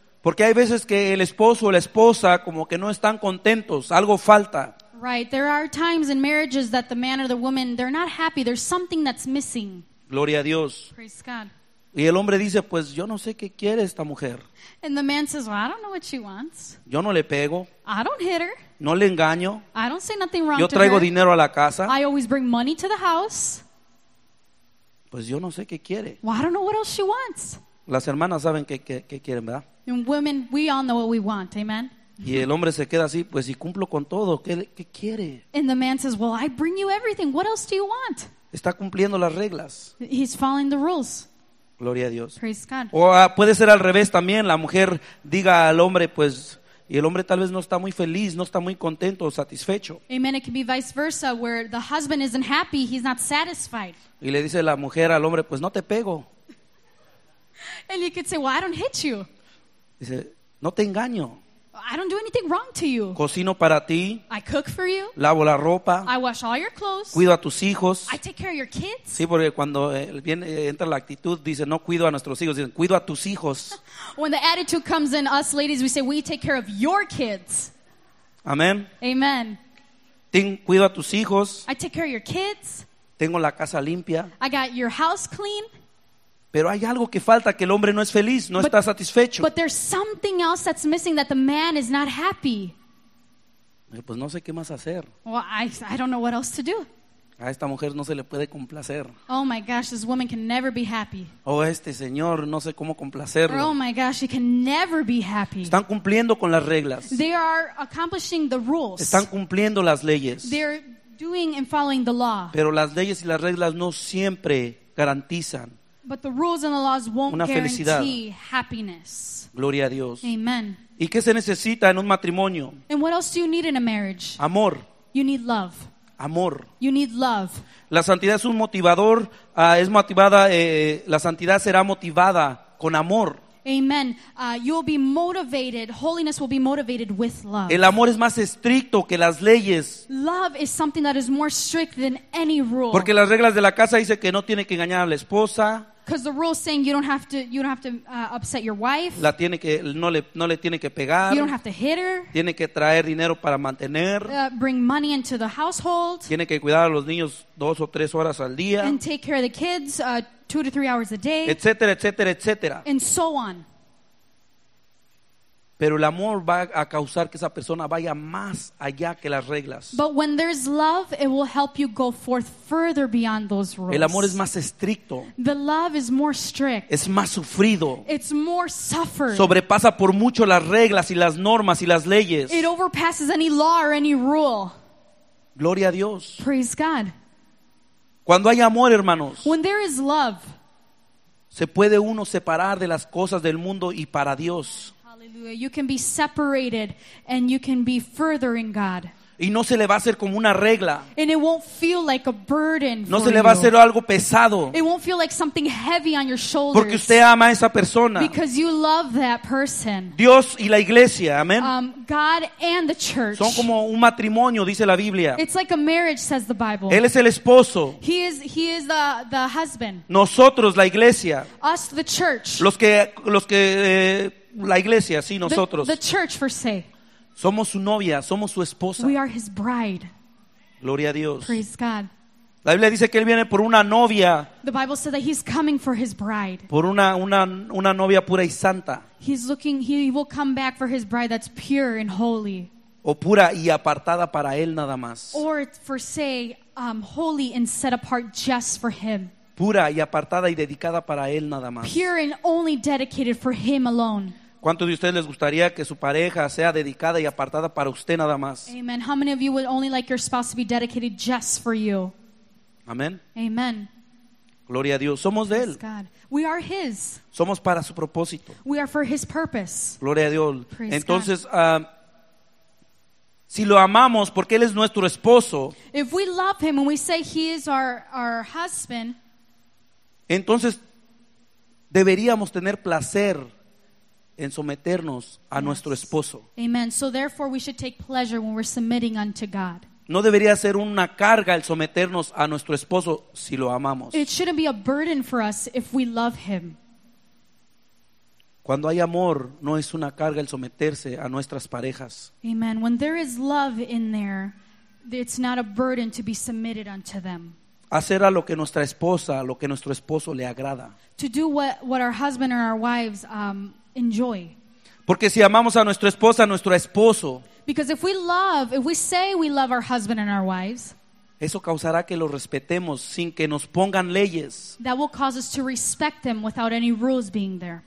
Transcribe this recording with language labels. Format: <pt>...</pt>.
<es>Porque hay veces que el esposo o la esposa como que no están contentos, algo falta.</es> <en>Right, there are times in marriages that the man or the woman, they're not happy, there's something that's missing.</en> <es>Gloria a Dios.</es> <en>Praise God.</en> <es>Y el hombre dice, pues yo no sé qué quiere esta mujer.</es> <en>And the man says, well, I don't know what she wants.</en> <es>Yo no le pego.</es> <en>I don't hit her.</en> <es>No le engaño.</es> <en>I don't say nothing wrong to her.</en> <es>Yo traigo dinero a la casa.</es> <en>I always bring money to the house.</en> <es>Pues yo no sé qué quiere.</es> <en>Well, I don't know what else she wants.</en> <es>Las hermanas saben qué quieren, ¿verdad?</es> <en>And women, we all know what we want, amen.</en> <es>Y el hombre se queda así, pues si cumplo con todo, ¿qué quiere?</es> <en>And the man says, well, I bring you everything. What else do you want?</en> <es>Está cumpliendo las reglas.</es> <en>He's following the rules.</en> <es>Gloria a Dios.</es> <en>Praise God.</en> <es>O puede ser al revés también. La mujer diga al hombre, pues, y el hombre tal vez no está muy feliz, no está muy contento o satisfecho.</es> <en>Amen. It can be vice versa, where the husband isn't happy, he's not satisfied.</en> <es>Y le dice la mujer al hombre, pues no te pego.</es> <en>And you could say, well, I don't hit you.</en> <es>Dice, no te engaño.</es> <en>I don't do anything wrong to you.</en> <es>Cocino para ti.</es> <en>I cook for you.</en> <es>Lavo la ropa.</es> <en>I wash all your clothes.</en> <es>Cuido a tus hijos.</es> <en>I take care of your kids.</en> <es>Sí, porque cuando entra la actitud, dice, no cuido a nuestros hijos, dicen, cuido a tus hijos.</es> <en>When the attitude comes in us ladies, we say, we take care of your kids. Amen. Amen.</en> <es>Cuido a tus hijos.</es> <en>I take care of your kids.</en> <es>Tengo la casa limpia.</es> <en>I got your house clean.</en> <es>Pero hay algo que falta, que el hombre no es feliz, no está satisfecho.</es> <en>But there's something else that's missing, that the man is not happy.</en> <es>Pues no sé qué más hacer.</es> <en>Well, I don't know what else to do.</en> <es>A esta mujer no se le puede complacer.</es> <en>Oh my gosh, this woman can never be happy.</en> <es>Oh, este señor, no sé cómo complacerlo.</es> <en>Oh my gosh, he can never be happy.</en> <es>Están cumpliendo con las reglas.</es> <en>They are accomplishing the rules.</en> <es>Están cumpliendo las leyes.</es> <en>They're doing and following the law.</en> <es>Pero las leyes y las reglas no siempre garantizan.</es> <en>But the rules and the laws won't</en> <es>una</es> <en>guarantee happiness.</en> <es>Gloria a Dios.</es> <en>Amen.</en> <es>¿Y qué se necesita en un matrimonio?</es> <en>And what else do you need in a marriage?</en> <es>Amor.</es> <en>You need love.</en> <es>Amor.</es> <en>You need love.</en> <es>La santidad es un motivador, es motivada, la santidad será motivada con amor.</es> <en>Amen. You will be motivated, holiness will be motivated with love.</en> <es>El amor es más estricto que las leyes.</es> <en>Love is something that is more strict than any rule.</en> <es>Porque las reglas de la casa dice que no tiene que engañar a la esposa.</es> <en>Because the rule is saying you don't have to upset your wife.</en> <es>La tiene que, no le tiene que pegar.</es> <en>You don't have to hit her.</en> <es>Tiene que traer dinero para mantener.</es> <en>Bring money into the household.</en> <es>Tiene que cuidar a los niños 2 o 3 horas al día.</es> <en>And take care of the kids 2 to 3 hours a day.</en> <es>Etcétera, etcétera, etcétera.</es> <en>And so on.</en> <es>Pero el amor va a causar que esa persona vaya más allá que las reglas.</es> <en>But when there's love, it will help you go forth further beyond those rules.</en> <es>El amor es más estricto.</es> <en>The love is more strict.</en> <es>Es más sufrido.</es> <en>It's more suffered.</en> <es>Sobrepasa por mucho las reglas y las normas y las leyes.</es> <en>It overpasses any law or any rule.</en> <es>Gloria a Dios.</es> <en>Praise God.</en> <es>Cuando hay amor, hermanos.</es> <en>When there is love.</en> <es>Se puede uno separar de las cosas del mundo y para Dios.</es> <en>You can be separated and you can be further in God.</en> <es>Y no se le va a hacer como una regla.</es> <en>And it won't feel like a burden</en> <es>no No se</es> <en>you.</en> <es>Le va a hacer algo pesado.</es> <en>It won't feel like something heavy on your shoulders.</en> <es>Porque usted ama a esa persona.</es> <en>Because you love that person.</en> <es>Dios y la iglesia, amén.</es> <en>God and the church.</en> <es>Son como un matrimonio, dice la Biblia.</es> <en>It's like a marriage, says the Bible.</en> <es>Él es el esposo.</es> <en>He is the husband.</en> <es>Nosotros, la iglesia.</es> <en>Us, the church.</en> <es>La iglesia, sí, nosotros.</es> <en>The church, per se.</en> <es>Somos su novia, somos su esposa.</es> <en>We are his bride.</en> <es>Gloria a Dios.</es> <en>Praise God.</en> <es>La Biblia dice que él viene por una novia.</es> <en>The Bible said that he's coming for his bride.</en> <es>Por una novia pura y santa.</es> <en>He's looking, he will come back for his bride that's pure and holy.</en> <es>O pura y apartada para él nada más.</es> <en>Or for say, holy and set apart just for him.</en> <es>Pura y apartada y dedicada para él nada más.</es> <en>Pure and only dedicated for him alone.</en> <es>¿Cuántos de ustedes les gustaría que su pareja sea dedicada y apartada para usted nada más?</es> <en>Amen. How many of you would only like your spouse to be dedicated just for you? Amen. Amen.</en> <es>Gloria a Dios. Somos de Él.</es> <en>We are His.</en> <es>Somos para su propósito.</es> <en>We are for His purpose.</en> <es>Gloria a Dios. Entonces, si lo amamos porque Él es nuestro esposo,</es> <en>if we love Him and we say He is our husband,</en> <es>entonces deberíamos tener placer en someternos a yes. nuestro esposo.</es> <en>Amen. So therefore we should take pleasure when we're submitting unto God.</en> <es>No debería ser una carga el someternos a nuestro esposo si lo amamos.</es> <en>It shouldn't be a burden for us if we love Him.</en> <es>Cuando hay amor, no es una carga el someterse a nuestras parejas.</es> <en>Amen. When there is love in there, it's not a burden to be submitted unto them.</en> <es>Hacer a lo que nuestra esposa, lo que nuestro esposo le agrada.</es> <en>To do what our husband or our wives enjoy.</en> <es>Porque si amamos a nuestra esposa, a nuestro esposo,</es> <en>because if we say we love our husband and our wives,</en> <es>eso causará que los respetemos sin que nos pongan leyes. That will cause us to respect them without any rules being there.</es>